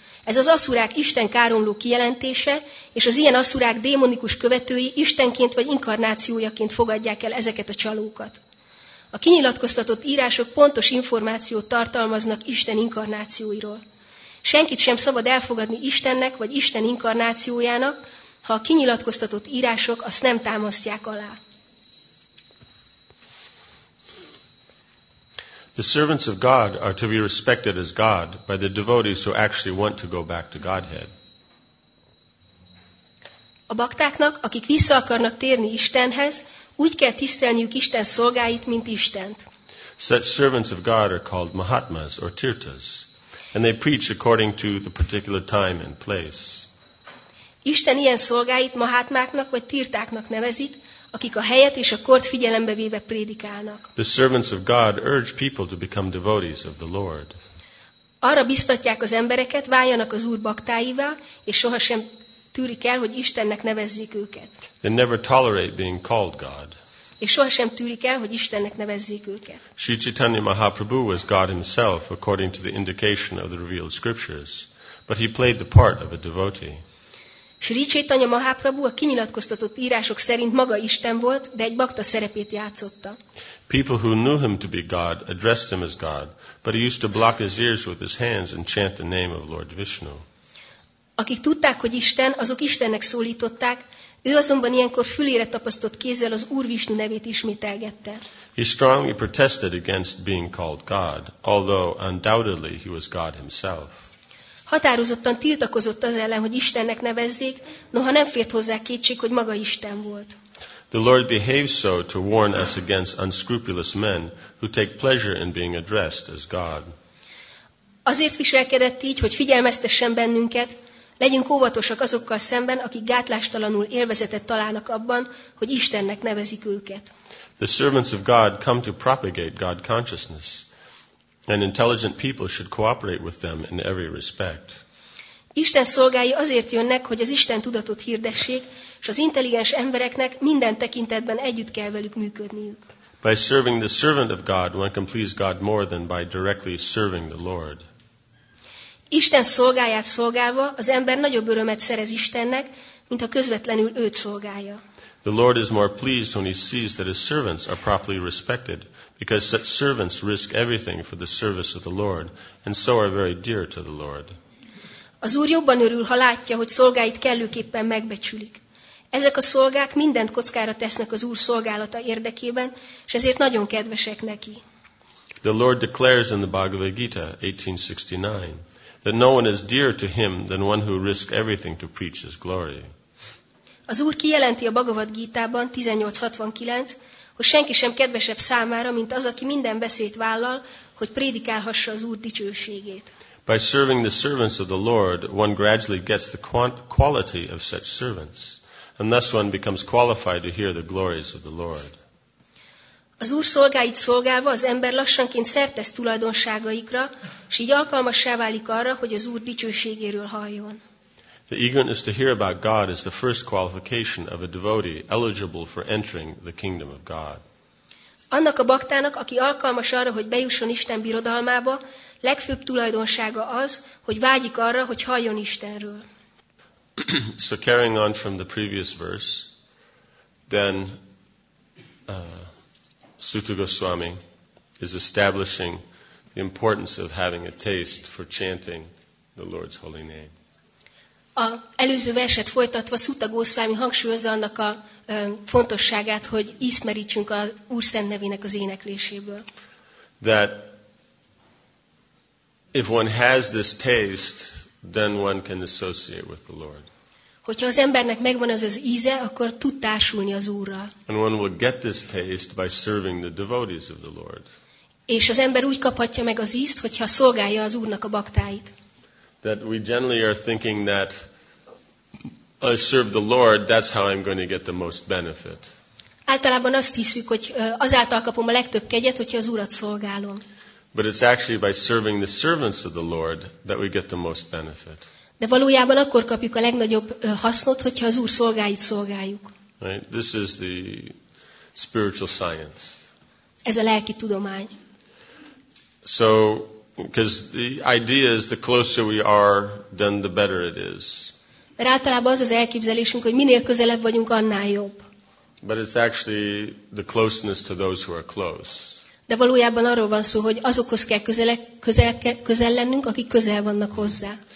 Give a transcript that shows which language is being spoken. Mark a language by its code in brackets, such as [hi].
[hu] Ez az aszurák Isten káromló kijelentése, és az ilyen aszurák démonikus követői Istenként vagy inkarnációjaként fogadják el ezeket a csalókat. A kinyilatkoztatott írások pontos információt tartalmaznak Isten inkarnációiról. Senkit sem szabad elfogadni Istennek vagy Isten inkarnációjának, ha a kinyilatkoztatott írások azt nem támasztják alá. [en] The servants of God are to be respected as God by the devotees who actually want to go back to Godhead. [hu] A baktáknak, akik vissza akarnak térni Istenhez, úgy kell tisztelniük Isten szolgáit, mint Istent. [en] Such servants of God are called Mahatmas or Tirthas, and they preach according to the particular time and place. [hu] Isten ilyen szolgáit Mahatmáknak vagy Tirtáknak nevezik, akik a helyet és a kort figyelembe véve prédikálnak. [en] The servants of God urge people to become devotees of the Lord. [hu] Arra biztatják az embereket, váljanak az Úr baktáivá, és sohasem tűrik el, hogy Istennek nevezzék őket. [en] They never tolerate being called God. [hu] És sohasem tűrik el, hogy Istennek nevezzék őket. [en] Sri Chaitanya Mahaprabhu was God himself according to the indication of the revealed scriptures, but he played the part of a devotee. [hu] Sri Chaitanya Mahaprabhu a kinyilatkoztatott írások szerint maga Isten volt, de egy bakta szerepét játszotta. [en] People who knew him to be God addressed him as God, but he used to block his ears with his hands and chant the name of Lord Vishnu. [hu] Akik tudták, hogy Isten, azok Istennek szólították, ő azonban ilyenkor fülére tapasztott kézzel az Úr Vishnu nevét ismételgette. [en] He strongly protested against being called God, although undoubtedly he was God himself. [hu] Határozottan tiltakozott az ellen, hogy Istennek nevezzék, noha nem fért hozzá kétség, hogy maga Isten volt. [en] The Lord behaves so to warn us against unscrupulous men who take pleasure in being addressed as God. [hu] Azért viselkedett így, hogy figyelmeztessen bennünket, legyünk óvatosak azokkal szemben, akik gátlástalanul élvezetet találnak abban, hogy Istennek nevezik őket. [en] The servants of God come to propagate God consciousness. And intelligent people should cooperate with them in every respect. [hu] Isten szolgái azért jönnek, hogy az Isten tudatot hirdessék, és az intelligens embereknek minden tekintetben együtt kell velük működniük. [en] By serving the servant of God, one can please God more than by directly serving the Lord. [hu] Isten szolgáját szolgálva az ember nagyobb örömet szerez Istennek, mint ha közvetlenül őt szolgálja. [en] The Lord is more pleased when he sees that his servants are properly respected, because such servants risk everything for the service of the Lord, and so are very dear to the Lord. [hu] Az Úr jobban örül, ha látja, hogy szolgáit kellőképpen megbecsülik. Ezek a szolgák mindent kockára tesznek az Úr szolgálata érdekében, és ezért nagyon kedvesek neki. [en] The Lord declares in the Bhagavad Gita 18:69 that no one is dearer to him than one who risks everything to preach his glory. [hu] Az Úr kijelenti a Bhagavad Gita-ban 18:69, hogy senki sem kedvesebb számára, mint az, aki minden veszélyt vállal, hogy prédikálhassa az Úr dicsőségét. [en] By serving the servants of the Lord, one gradually gets the quality of such servants, and thus one becomes qualified to hear the glories of the Lord. [hu] Az Úr szolgáit szolgálva az ember lassanként szertesz tulajdonságaikra, és így alkalmassá válik arra, hogy az Úr dicsőségéről halljon. [en] The eagerness to hear about God is the first qualification of a devotee eligible for entering the kingdom of God. [hu] Annak a baktának, aki alkalmas arra, hogy bejusson Isten birodalmába, legfőbb tulajdonsága az, hogy vágyik arra, hogy halljon Istenről. [en] So carrying on from the previous verse, then Suta Goswami is establishing the importance of having a taste for chanting the Lord's holy name. [hu] A előző verset folytatva Suta Goswami hangsúlyozza annak a fontosságát, hogy ízt merítsünk az Úr Szent nevének az énekléséből. [en] That if one has this taste, then one can associate with the Lord. [hu] Hogyha az embernek megvan az íze, akkor tud társulni az Úrral. [en] And one will get this taste by serving the devotees of the Lord. [hu] És az ember úgy kaphatja meg az ízt, hogyha szolgálja az Úrnak a baktáit. [en] That we generally are thinking that I serve the Lord, that's how I'm going to get the most benefit. [hu] Általában azt hiszük, hogy azáltal kapom a legtöbb kegyet, hogyha az Urat szolgálom. [en] But it's actually by serving the servants of the Lord that we get the most benefit. [hu] De valójában akkor kapjuk a legnagyobb hasznot, hogyha az Úr szolgáit szolgáljuk. [en] Right? This is the spiritual science. [hu] Ez a lelki tudomány. [en] So, because the idea is the closer we are, then the better it is. [hu] De általában az az elképzelésünk, hogy minél közelebb vagyunk, annál jobb. [en] But it's actually the closeness to those who are close. [hu] De valójában arról van szó, hogy azokhoz kell közel lennünk, akik közel vannak hozzá.